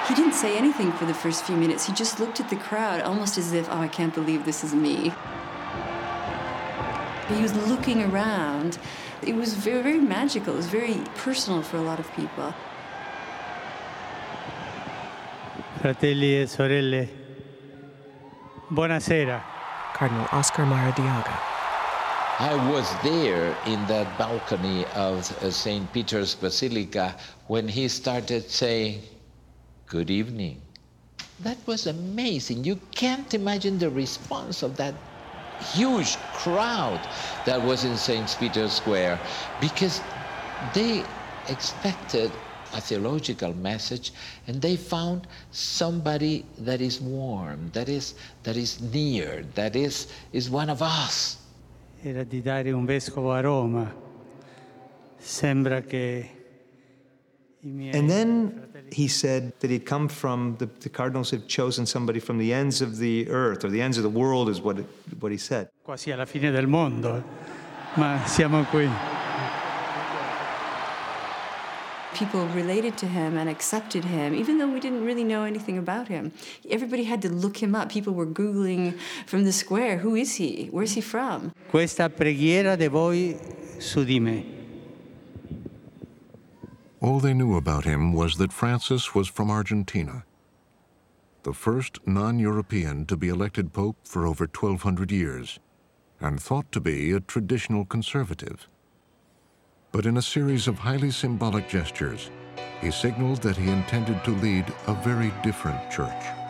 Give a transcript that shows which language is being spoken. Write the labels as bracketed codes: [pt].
[en] Say anything for the first few minutes. He just looked at the crowd almost as if, oh, I can't believe this is me. He was looking around. It was very, very magical. It was very personal for a lot of people. [it] Fratelli e sorelle, buonasera. [en] Cardinal Oscar Maradiaga. I was there in that balcony of St. Peter's Basilica when he started saying, good evening. That was amazing. You can't imagine the response of that huge crowd that was in St. Peter's Square, because they expected a theological message, and they found somebody that is warm, that is near, that is one of us. [it] Era di dare un vescovo a Roma. Sembra che. [en] And then he said that he'd come from, the cardinals had chosen somebody from the ends of the earth, or the ends of the world is what he said. [it] Quasi alla fine del mondo, ma siamo qui. [en] people related to him and accepted him, even though we didn't really know anything about him. Everybody had to look him up. People were Googling from the square, who is he? Where's he from? [it] Questa preghiera di voi su di me. [en] All they knew about him was that Francis was from Argentina, the first non-European to be elected pope for over 1,200 years, and thought to be a traditional conservative. But in a series of highly symbolic gestures, he signaled that he intended to lead a very different church.